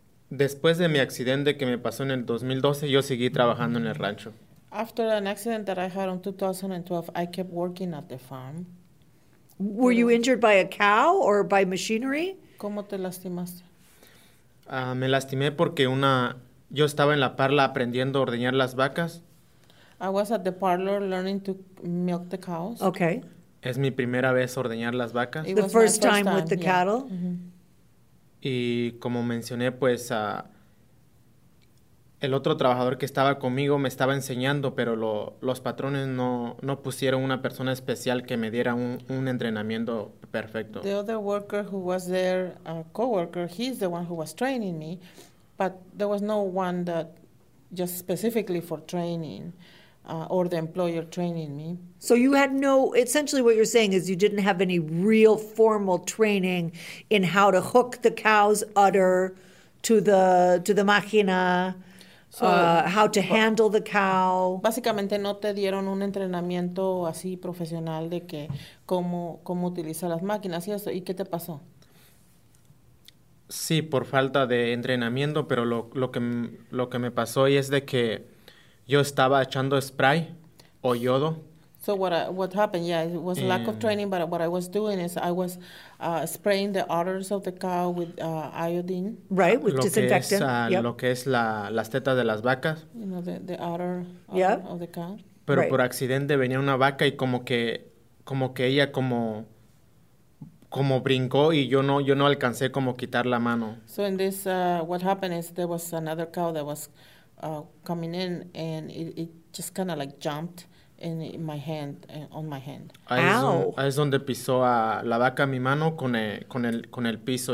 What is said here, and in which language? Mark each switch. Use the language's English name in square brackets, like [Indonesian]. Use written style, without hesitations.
[Spanish] Después de mi accidente que me pasó en el 2012, yo seguí trabajando en el rancho. [English] After an accident that I had in 2012, I kept working at the farm. Were you injured by a cow or by machinery? [Spanish] ¿Cómo te lastimaste? Me lastimé porque yo estaba en la parla aprendiendo a ordeñar las vacas. [English] I was at the parlor learning to milk the cows. Okay. [Spanish] Es mi primera vez ordeñar las vacas. [English] The first time with the cattle. Mm-hmm. [Spanish] Y como mencioné, pues el otro trabajador que estaba conmigo me estaba enseñando, pero los patrones no pusieron una persona especial que me diera un entrenamiento perfecto. [English] The other worker who was there, a coworker, he's the one who was training me, but there was no one that just specifically for training or the employer training me. So you had no, essentially what you're saying is you didn't have any real formal training in how to hook the cow's udder to the máquina. How to handle the cow. [Spanish] Básicamente no te dieron un entrenamiento así profesional de que cómo utilizar las máquinas y eso. ¿Y qué te pasó? Sí, por falta de entrenamiento, pero lo que me pasó y es de que yo estaba echando spray o yodo. [English] So what happened? Yeah, it was lack of training, but what I was doing is I was spraying the udders of the cow with iodine. Right, with disinfectant. [Spanish] Lo que es las tetas de las vacas. [English] You know, the udder of the cow. [Spanish] Pero right. Por accidente venía una vaca y como que ella como brincó y yo no alcancé como quitar la mano. [English] So in this, what happened is there was another cow that was coming in and it just kind of like jumped. On my hand. [Spanish] Ahí es donde pisó a la vaca mi mano con el piso.